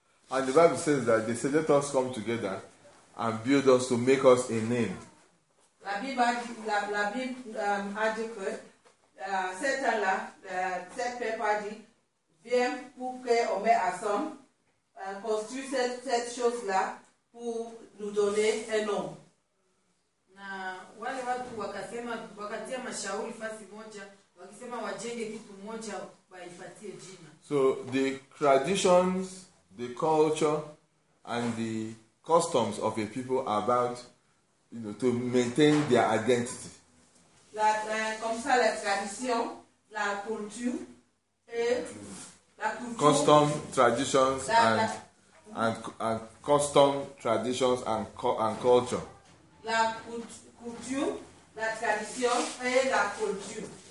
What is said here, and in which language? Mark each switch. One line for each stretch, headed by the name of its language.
English: And the Bible says that they said let us come together and build us to make us a name.
French: La Bible la Bible a dit que cet là cet peuple a dit viens pour que on met ensemble construit cette chose là pour nous donner un nom.
Swahili: Na wale watu wakasema wakatia mashauri fasi moja wakisema wajenge kitu moja waifatie jina.
English: So the traditions, the culture and the customs of a people are about to maintain their identity.
French: La comme ça la tradition, la culture et la culture,
English: custom, traditions and custom, traditions and culture.
French: La culture, la tradition et la culture.